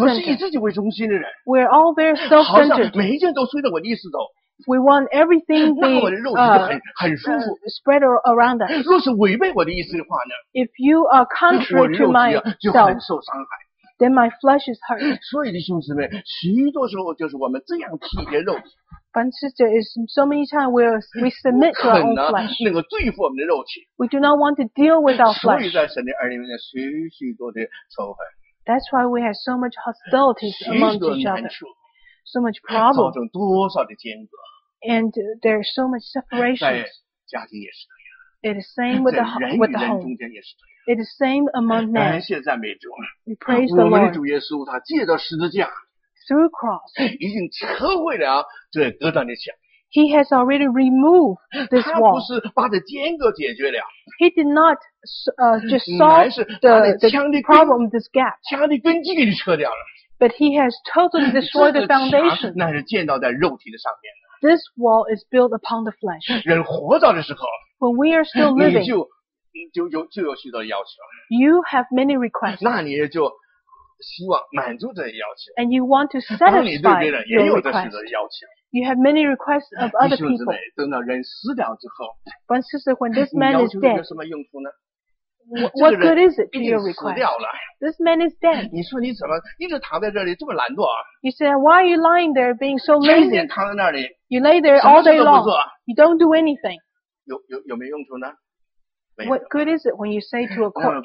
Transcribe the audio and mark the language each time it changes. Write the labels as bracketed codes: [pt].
[zh] 我们是以自己为中心的人。 [en] We're all very self-centered. [zh] 每一件都随着我的意思走。 [en] We want everything to spread around us. [zh] 若是违背我的意思的话呢 [en] ？If you are contrary to myself, then my flesh is hurt. [zh] 所以弟兄姊妹，许多时候就是我们这样体贴肉体。 [en] But sister, is so many times we submit to our own flesh. [zh] 能够对付我们的肉体。 [en] We do not want to deal with our flesh. [zh] 所以在神的儿女们许许多的仇恨。 [en] That's why we have so much hostility among each other. So much problem. [zh] 造成多少的间隔。 [en] And there's so much separation. [zh] 在家庭也是这样。 [en] It is same with the home. [zh] 人与人中间也是这样。 [en] It is same among men. [zh] 感谢赞美主。 [en] We praise the Lord. [zh] 我们的主耶稣他借着十字架。 [en] Through cross. [zh] 已经撤毁了这隔断的墙。 [en] He has already removed this wall. [zh] 他不是把这间隔解决了。 [en] He did not just solve the problem this gap. [zh] 墙的根基给你撤掉了。 [en] But he has totally destroyed the foundation. [zh] 那是建造在肉体的上面的。 [en] This wall is built upon the flesh. [zh] 人活着的时候。 [en] When we are still living. [zh] 你就有许多要求。 [en] You have many requests. [zh] 那你也就希望满足这些要求。 [en] And you want to satisfy your request. [zh] 当你对别人也有这些要求。 [en] You have many requests of other people. [zh] 等到人死掉之后。 [en] But sister, when this man is dead. [zh] 你要求有什么用处呢？ [en] What good is it to your request? This man is dead. [zh] 你说你怎么一直躺在这里这么懒惰啊 [en] ？You say why are you lying there being so lazy? [zh] 天天躺在那里。 [en] You lay there all day long. You don't do anything. [zh] 有没有用处呢 [en] ？What good is it when you say to a corpse?